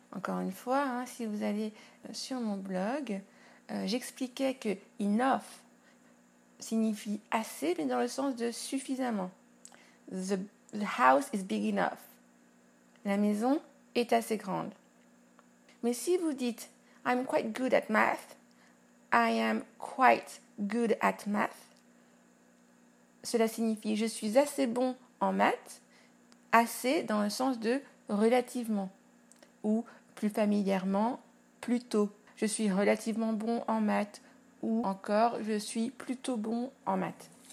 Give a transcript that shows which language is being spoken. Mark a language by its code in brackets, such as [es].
[fr] Encore une fois, si vous allez sur mon blog, j'expliquais que enough signifie assez mais dans le sens de suffisamment. [en] The house is big enough. [fr] La maison est assez grande. Mais si vous dites [en] I'm quite good at math, I am quite good at math. [fr] Cela signifie je suis assez bon en maths, assez dans le sens de relativement ou plus familièrement plutôt. Je suis relativement bon en maths ou encore je suis plutôt bon en maths.